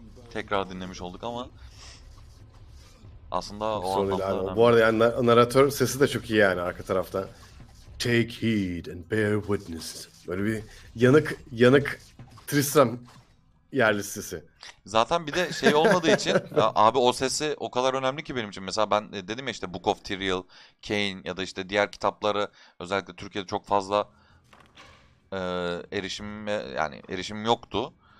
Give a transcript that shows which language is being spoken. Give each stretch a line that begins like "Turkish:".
Turkish: Tekrar dinlemiş olduk ama aslında o anlamda bu arada yani narratör sesi de çok iyi yani arka tarafta.
English: Take heed and bear witness.
Turkish: Böyle bir yanık Tristram yerlisi sesi. Zaten bir de şey olmadığı için abi o sesi o kadar önemli ki benim için. Mesela ben dedim ya işte Book of Tyriel, Cain ya da işte diğer kitapları özellikle Türkiye'de çok fazla erişim yoktu.